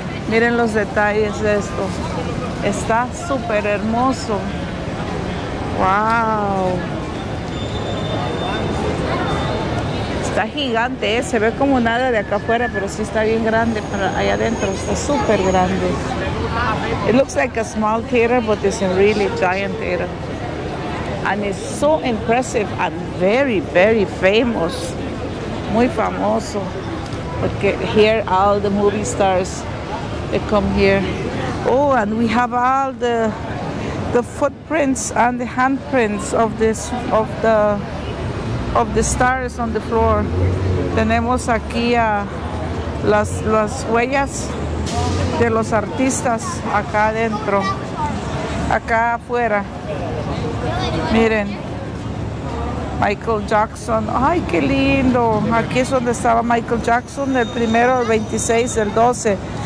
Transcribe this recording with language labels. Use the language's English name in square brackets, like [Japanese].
[Spanish] Miren los detalles de esto. Está súper hermoso. Wow, está gigante, ¿eh? Se ve como nada de acá afuera, pero sí está bien grande para allá adentro. Está súper grande. [English] It looks like a small theater, but it's a really giant theater, and it's so impressive and very, very famous. [Spanish] Muy famoso, porque [English] here all the movie stars they come here. Oh, and we have all the footprints and the handprints of the stars on the floor. [Spanish] Tenemos aquí a las huellas de los artistas acá adentro, acá afuera. Miren, Michael Jackson. Ay, qué lindo. Aquí es donde estaba Michael Jackson, el primero, el 26, el 12.